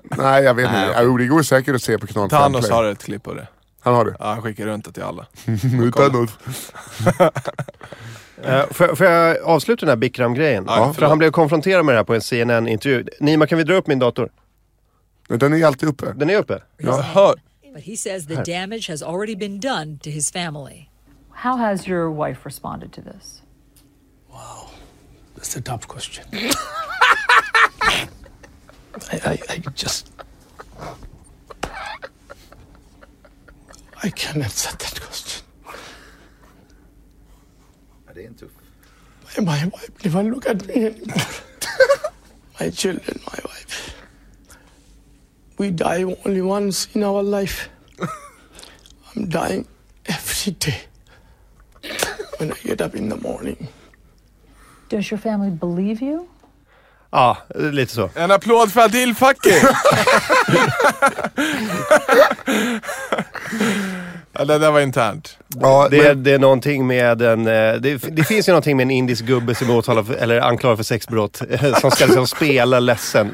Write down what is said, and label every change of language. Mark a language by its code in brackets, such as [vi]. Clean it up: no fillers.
[sv] Nej, jag vet inte. Det går säkert att se på kanalen. Thanos har ett klipp på det. Han har det? Ja, han skickar runt det till alla. Thanos. Får jag avsluta den här Bikram-grejen? Ja, för han blev konfronterad med det här på en CNN-intervju. Nima, kan vi dra upp min dator? Den är alltid uppe. Den är uppe. Ja. Hör. [en] But he says the damage has already been done to his family. How has your wife responded to this? Wow. That's a tough question. I can't answer that question. [sv] Är det en tuff? [en] My wife never look at me anymore. My children, my wife. We die only once in our life. I'm dying every day when I get up in the morning. Does your family believe you? [sv] Ja, lite så. En applåd för Adil Fakir. Ja, det var internt. Ja, det är någonting med en... Det finns ju någonting med en indisk gubbe som åtalar för, eller anklagar för sexbrott, som ska liksom spela ledsen.